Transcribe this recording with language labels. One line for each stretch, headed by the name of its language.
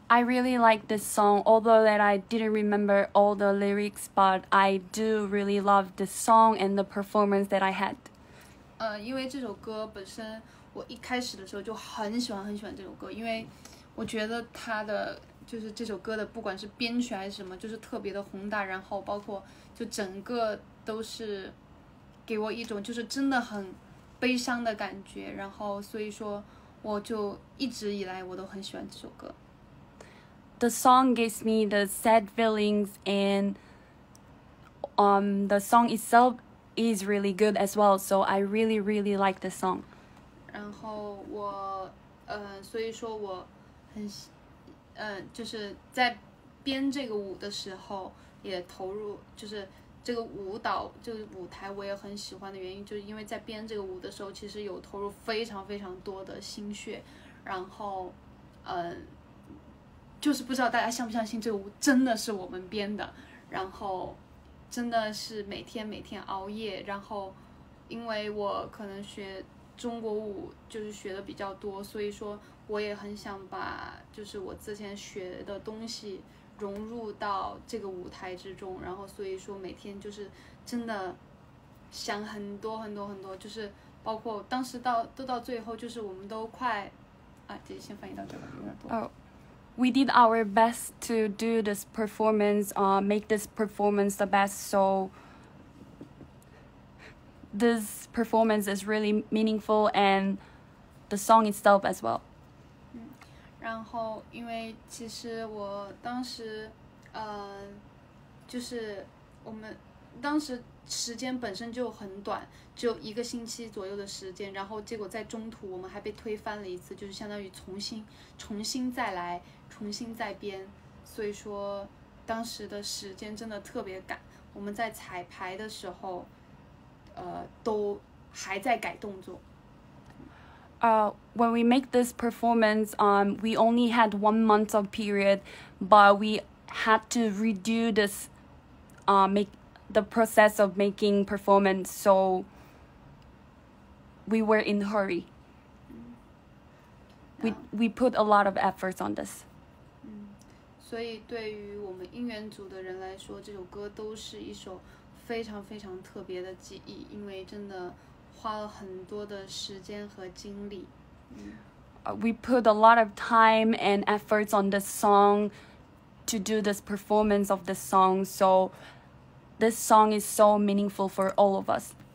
English: I really like this song, although that I didn't remember all the lyrics, but I do really love the song and the performance that I had.
Chinese: 因为这首歌本身，我一开始的时候就很喜欢很喜欢这首歌，因为我觉得它的就是这首歌的，不管是编曲还是什么，就是特别的宏大，然后包括就整个都是给我一种就是真的很悲伤的感觉，然后所以说。我就一直以来我都很喜欢这首歌。
English: The song gives me the sad feelings and the song itself is really good as well. So I really, really like the song.
Chinese: 然后我所以说我很就是在编这个舞的时候也投入就是这个舞蹈这个舞台我也很喜欢的原因就是因为在编这个舞的时候其实有投入非常非常多的心血然后就是不知道大家相不相信这个舞真的是我们编的然后真的是每天每天熬夜然后因为我可能学中国舞就是学的比较多所以说我也很想把就是我之前学的东西融入到这个舞台之中然后所以说每天就是真的想很多很多很多就是包括当时都到最后就是我们都快啊姐姐先翻译到这个有点多
English: We did our best to do this performance make this performance the best so this performance is really meaningful and the song itself as well
Chinese: 然后因为其实我当时就是我们当时时间本身就很短只有一个星期左右的时间然后结果在中途我们还被推翻了一次就是相当于重新再来重新再编所以说当时的时间真的特别赶我们在彩排的时候都还在改动作
English: When we make this performance, we only had 1 month of period, but we had to redo this, make the process of making performance, so we were in hurry. We put a lot of efforts on this.
Chinese: 所以对于我们音源组的人来说，这首歌都是一首非常非常特别的记忆，因为真的花了很多的时间和精力。
English: We put a lot of time and efforts on this song to do this performance of this song. So this song is so meaningful for all of us.